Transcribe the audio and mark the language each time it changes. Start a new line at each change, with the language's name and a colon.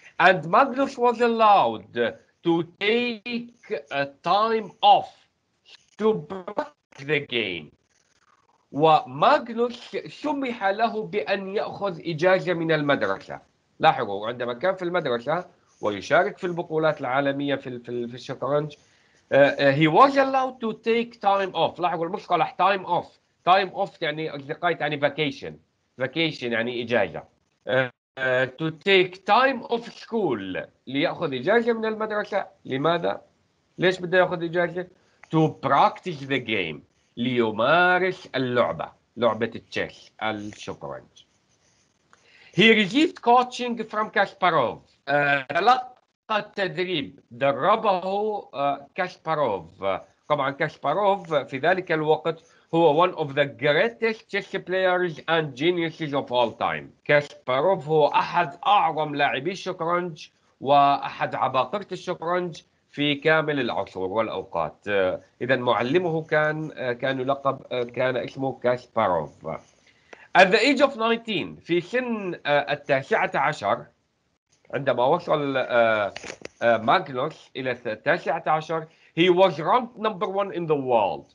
English: And Magnus was allowed to take a time off to break the game.
Arabic: وماغنوس سمح له بأن يأخذ إجازة من المدرسة. لاحظوا عندما كان في المدرسة ويشارك في البطولات العالمية في الشطرنج,
English: he was allowed to take time off.
Arabic: لاحظوا المصطلح time off. Time off يعني أصدقائي يعني vacation. Vacation يعني إجازة.
English: To take time off school,
Arabic: ليأخذ إجازة من المدرسة. لماذا؟ ليش بده يأخذ إجازة؟
English: To practice the game,
Arabic: ليمارس اللعبة, لعبة التشيس الشطرنج.
English: He received coaching from Kasparov,
Arabic: تلقى التدريب, دربه كاسباروف. طبعا كاسباروف في ذلك الوقت
English: هو one of the greatest chess players and geniuses of all time.
Arabic: كاسباروف هو أحد أعظم لاعبي الشطرنج وأحد عباقرة الشطرنج في كامل العصور والأوقات. إذا معلمه كان يلقب كان اسمه كاسباروف.
English: At the age of 19
Arabic: في سن 19 عندما وصل ماغنوس إلى 19
English: he was ranked number one in the world.